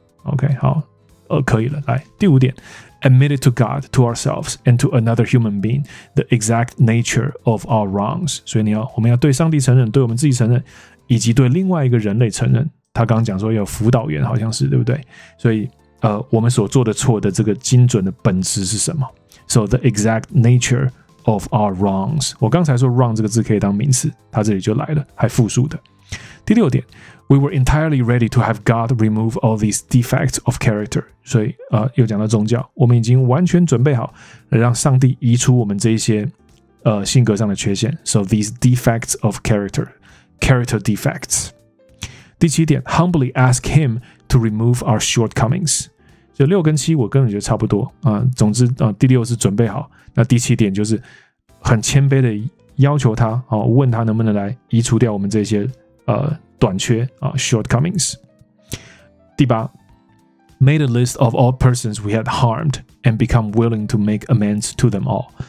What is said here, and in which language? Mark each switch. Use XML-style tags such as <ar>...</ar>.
<en>OK,</en> <zh>好，可以了。来，第五点</zh> <en>，admit it to God, to ourselves, and to another human being the exact nature of our wrongs。</en> <zh>所以我们要对上帝承认，对我们自己承认，以及对另外一个人类承认。他刚刚讲说有辅导员，好像是对不对？所以我们所做的错的这个精准的本质是什么 ？</zh> <en>So the exact nature of our wrongs.</en> <zh>我刚才说 wrong 这个字可以当名词，它这里就来了，还复数的。第六点，</zh> <en>we were entirely ready to have God remove all these defects of character.</en> <zh>所以、又讲到宗教，我们已经完全准备好让上帝移除我们这些、性格上的缺陷。</zh> <en>So these defects of character, character defects.</en> <zh>第七点，</zh> <en>humbly ask him to remove our shortcomings.</en> <zh>就六跟七我个人觉得差不多、总之、第六是准备好，那第七点就是很谦卑的要求他、问他能不能来移除掉我们这些、短缺、shortcomings。第八，</zh> <en>made a list of all persons we had harmed and become willing to make amends to them all.</en>